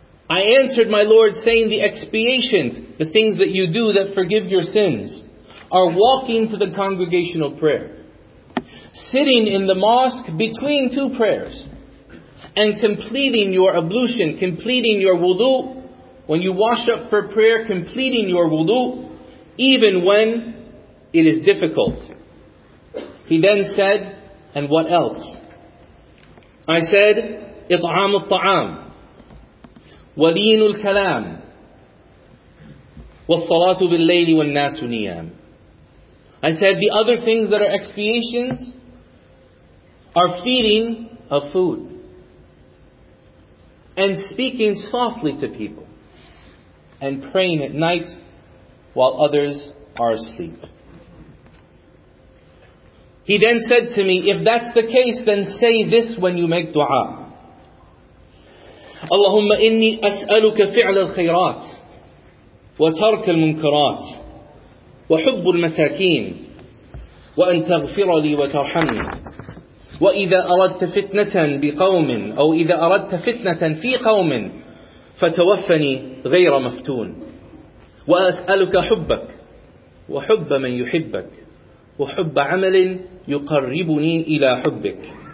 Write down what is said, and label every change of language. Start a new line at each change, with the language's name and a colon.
English: I answered my Lord, saying, "The expiations, the things that you do that forgive your sins, are walking to the congregational prayer, sitting in the mosque between two prayers, and completing your ablution, completing your wudu, when you wash up for prayer, completing your wudu, even when it is difficult." He then said, "And what else?" I said,
Arabic: "إطعام الطعام ولين الكلام والصلاة بالليل والناس نيام."
English: I said, "The other things that are expiations are feeding of food and speaking softly to people and praying at night while others are asleep." He then said to me, "If that's the case, then say this when you make dua.
Arabic: اللهم إني أسألك فعل الخيرات وترك المنكرات وحب المساكين وأن تغفر لي وترحمني وإذا أردت فتنة بقوم أو إذا أردت فتنة في قوم فتوفني غير مفتون وأسألك حبك وحب من يحبك وحب عمل يقربني إلى حبك."